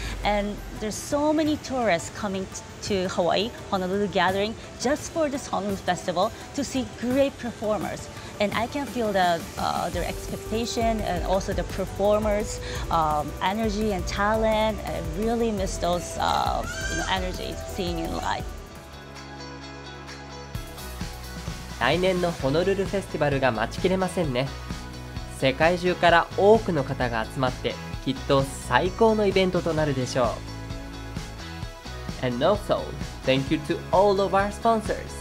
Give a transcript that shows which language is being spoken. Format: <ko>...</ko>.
<en>And there's so many tourists coming to Hawaii, Honolulu gathering, just for this Honolulu Festival to see great performers. And I can feel the, their expectation and also the performers' energy and talent. I really miss those you know, energies seeing in life.</en> <ja>来年のホノルルフェスティバルが待ちきれませんね。世界中から多くの方が集まって、きっと最高のイベントとなるでしょう。</ja> <en>And also, thank you to all of our sponsors.</en>